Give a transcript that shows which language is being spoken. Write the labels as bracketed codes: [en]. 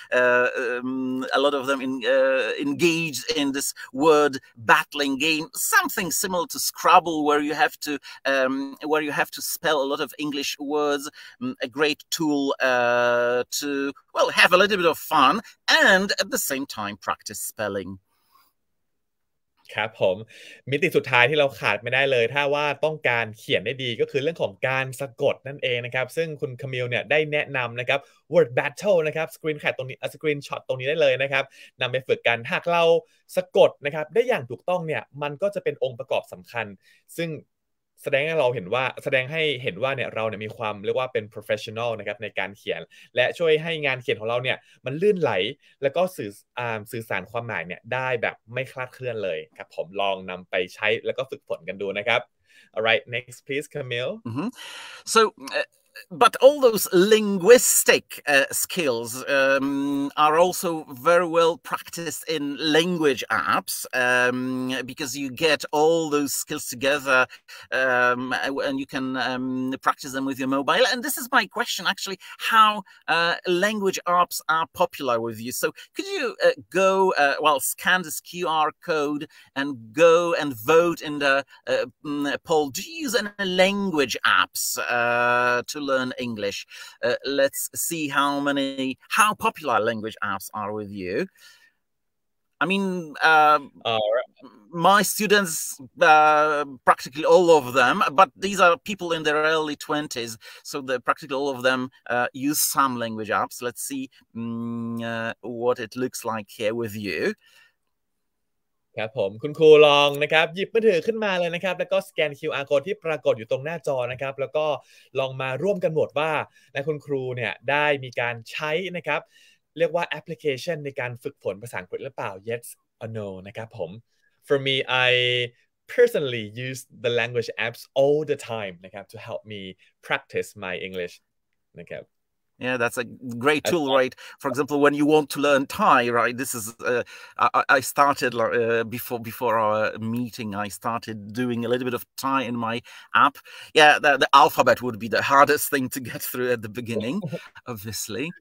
[en] A lot of them engaged in this word battling game, something similar to Scrabble, where you have to spell a lot of English words. A great tool to, well, have a little bit of fun and at the same time practice spelling. [th] ครับผมมิติสุดท้ายที่เราขาดไม่ได้เลยถ้าว่าต้องการเขียนได้ดีก็คือเรื่องของการสะกดนั่นเองนะครับซึ่งคุณคามิลเนี่ยได้แนะนำนะครับ word battle นะครับสกรีนแคปตรงนี้สกรีนช็อตตรงนี้ได้เลยนะครับนำไปฝึกกันหากเราสะกดนะครับได้อย่างถูกต้องเนี่ยมันก็จะเป็นองค์ประกอบสำคัญซึ่ง แสดงให้เราเห็นว่าแสดงให้เห็นว่าเนี่ยเราเนี่ยมีความเรียกว่าเป็น professional นะครับในการเขียนและช่วยให้งานเขียนของเราเนี่ยมันลื่นไหลแล้วก็สื่อสารความหมายเนี่ยได้แบบไม่คลาดเคลื่อนเลยครับผมลองนำไปใช้แล้วก็ฝึกฝนกันดูนะครับ [en] alright next please Camille so but all those linguistic skills are also very well practiced in language apps because you get all those skills together and you can practice them with your mobile. And this is my question, actually, how language apps are popular with you. So could you scan this QR code and go and vote in the poll? Do you use any language apps to learn English? Let's see how popular language apps are with you. I mean, my students, practically all of them, but these are people in their early 20s, so practically all of them use some language apps. Let's see what it looks like here with you. [th] ครับผมคุณครูลองนะครับหยิบมือถือขึ้นมาเลยนะครับแล้วก็สแกน QR code ที่ปรากฏอยู่ตรงหน้าจอนะครับแล้วก็ลองมาร่วมกันโหวตว่าและคุณครูเนี่ยได้มีการใช้นะครับเรียกว่าแอปพลิเคชันในการฝึกฝนภาษาอังกฤษหรือเปล่า [en] Yes or No [th] นะครับผม [en] For me I personally use the language apps all the time [th] นะครับ [en] to help me practice my English [th] นะครับ [en] Yeah, that's a great tool, right? For example, when you want to learn Thai, right? This is, I started before our meeting, I started doing a little bit of Thai in my app. Yeah, the alphabet would be the hardest thing to get through at the beginning, obviously.